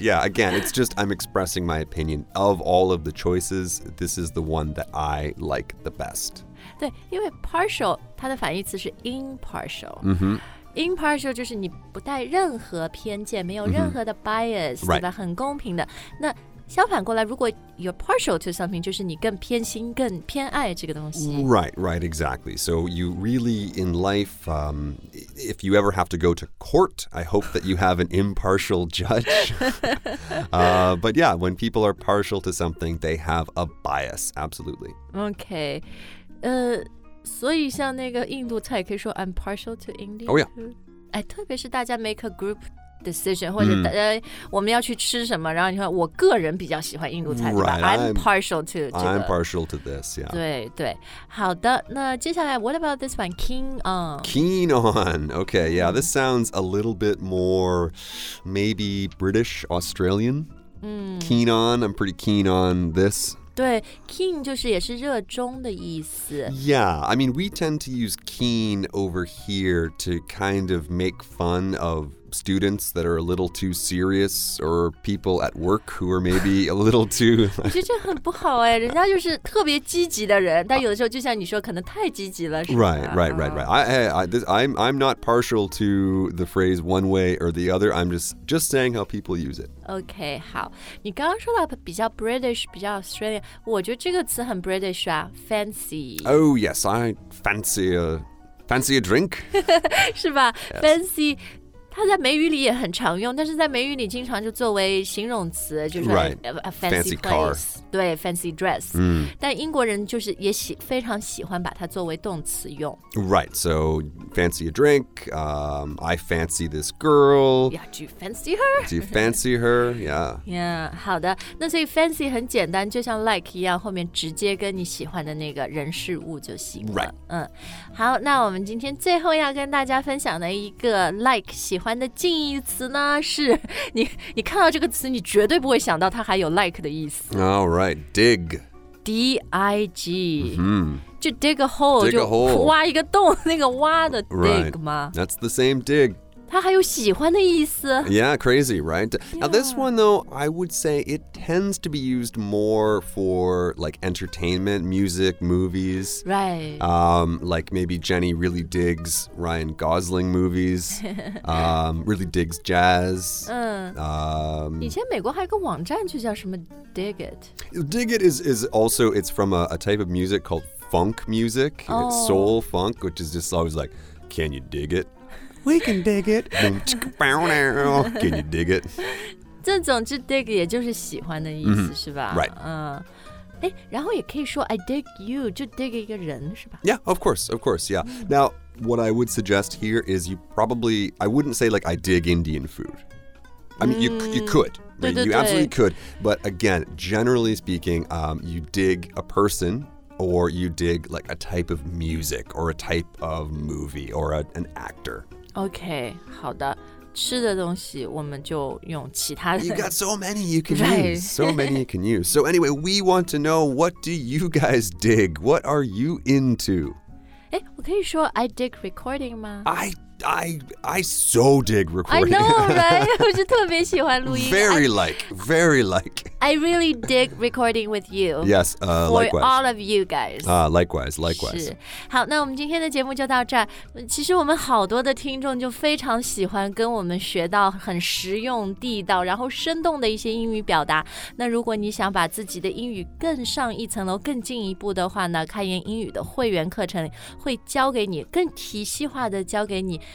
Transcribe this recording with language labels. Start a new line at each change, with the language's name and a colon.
English: Yeah, again, it's just I'm expressing my opinion. Of all of the choices, this is the one that I like the best.
Chinese: 对，因为 partial, 它的反义词是 impartial. Mm-hmm. Impartial 就是你不带任何偏见，没有任何的 bias,、 mm-hmm. 对吧？很公平的。那相反过来，如果
English: you're partial to something,
Chinese: 就是你更偏心、更偏爱这个东西。
English: Right, right, exactly. So you really, in life, if you ever have to go to court, I hope that you have an impartial judge. but yeah, when people are partial to something, they have a bias, absolutely. Okay.
Chinese: 所以像那个印度菜可以说
English: I'm partial to India. Oh, yeah.
Chinese: 哎，特别是大家
English: make a group decision
Chinese: 或者大家、我们要去吃什么，然后你看我个人比较喜欢印度菜
English: right,
Chinese: 对吧
English: I'm partial to、
Chinese: 这个、
English: I'm partial to this, yeah.
Chinese: 对对，好的，那接下来
English: what about this one? Keen on. Keen on, okay, yeah, this sounds a little bit more maybe British, Australian.、Keen on, I'm pretty keen on this.
Chinese: 对 keen 就是也是热衷的意思
English: Yeah, I mean we tend to use keen over here to kind of make fun of students that are a little too serious or people at work who are maybe a little too
Chinese: 我觉得这很不好哎人家就是特别积极的人但有的时候就像你说可能太积极了是吧
English: Right, right, right, right I'm not partial to the phrase one way or the other I'm just saying how people use it
Chinese: OK, 好，你刚刚说到比较 British, 比较 Australian, 我觉得这个词很 British 啊 ,fancy.
English: Oh yes, I fancy a drink.
Chinese: 是吧、yes. ?fancy, 它在美语里也很常用但是在美语里经常就作为形容词就是
English: right, a fancy car.
Chinese: 对 ,fancy dress.、但英国人就是也非常喜欢把它作为动词用。
English: Right, so fancy a drink,、I fancy this girl. Yeah, do you fancy her? Do you fancy her? Yeah.
Chinese: Yeah, 好的。那所以 fancy 很简单就像 like 一样后面直接跟你喜欢的那个人事物就行了。
English: Right.、
Chinese: 好那我们今天最后要跟大家分享的一个 like 喜欢的近义词呢是 你看到这个词你绝对不会想到它还有 like 的意思。
English: All right, dig. D-I-G、 mm-hmm. 就 dig a hole dig a hole
Chinese: 就挖一个洞那个挖的 dig 吗、
English: right. That's the same dig
Chinese: 它还有喜欢的意思
English: Yeah, crazy, right?、Yeah. Now this one though I would say it tends to be used more for like entertainment music, movies Right、 like maybe Jenny really digs Ryan Gosling movies 、really digs jazz、
Chinese: 以前美国还有个网站就叫什么 dig it
English: Dig It is also, it's from a type of music called funk music.、 Oh. It's soul funk, which is just always like, can you dig it? We can dig it. Can you dig it?
Chinese: 这总之 dig 也就是喜欢的意思、mm-hmm. 是吧
English: Right.、
Chinese: 然后也可以说
English: I dig you,
Chinese: 就 dig 一个人是吧
English: Yeah, of course, yeah.、Mm. Now, what I would suggest here is you probably, I wouldn't say like I dig Indian food. I mean,、mm. you could.
Chinese: Right, 对对对
English: you absolutely could. But again, generally speaking,、you dig a person or you dig like a type of music or a type of movie or an actor.
Chinese: Okay, 好的。吃的东西我们就用其他的。
English: You got so many you can use. So many you can use. So anyway, we want to know what do you guys dig? What are you into?
Chinese: 诶我可以说
English: I dig recording
Chinese: 吗
English: I so dig recording. I know, right?
Chinese: 我就特别喜欢录音。
English: Very like, very like. I really dig recording with you. Yes, likewise. For all of you guys. Likewise, likewise.
Chinese: 好，那我们今天的节目就到这儿。其实我们好多的听众就非常喜欢跟我们学到很实用、地道，然后生动的一些英语表达。那如果你想把自己的英语更上一层楼、更进一步的话呢，开言英语的会员课程会教给你更体系化的教给你。